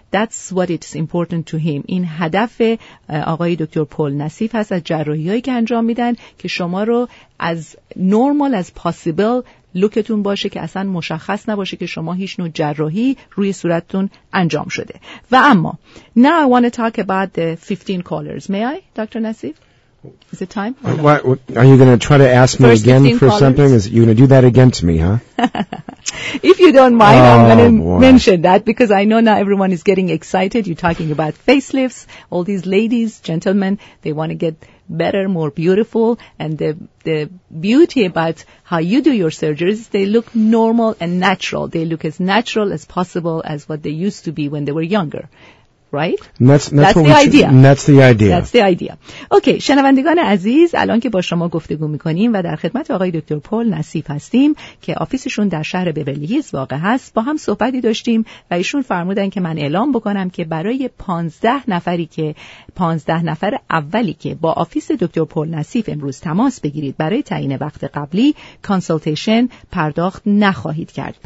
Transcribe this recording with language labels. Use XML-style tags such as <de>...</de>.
<en>That's what it's important to him.</en> <fa>این هدف آقای دکتر پال نصیف هست از جراحی هایی که انجام میدن که شما رو از</fa> <en>normal as possible</en> <fa>لوکتون باشه که اصلا مشخص نباشه که شما هیچ نوع جراحی روی صورتتون انجام شده. و اما</fa> <en>Now I want to talk about the 15 callers. May I, Dr. Nassif? Is it time? What, are you going to try to ask me first again for callers? Something? Is you going to do that again to me, huh? If you don't mind, oh, I'm going to mention that because I know now everyone is getting excited. You're talking about facelifts. All these ladies, gentlemen, they want to get better, more beautiful, and the beauty about how you do your surgeries, they look normal and natural. They look as natural as possible as what they used to be when they were younger. Right? That's the idea.</en> <fa>Okay, شنوندگان عزیز، الان که با شما گفتگو میکنیم و در خدمت آقای دکتر پل نصیف هستیم که آفیسشون در شهر بیولی‌هیلز واقع هست، با هم صحبتی داشتیم و ایشون فرمودن که من اعلام بکنم که برای 15 نفر اولی که با آفیس دکتر پل نصیف امروز تماس بگیرید برای تعیین وقت قبلی کانسلتیشن پرداخت نخواهید کرد.</fa>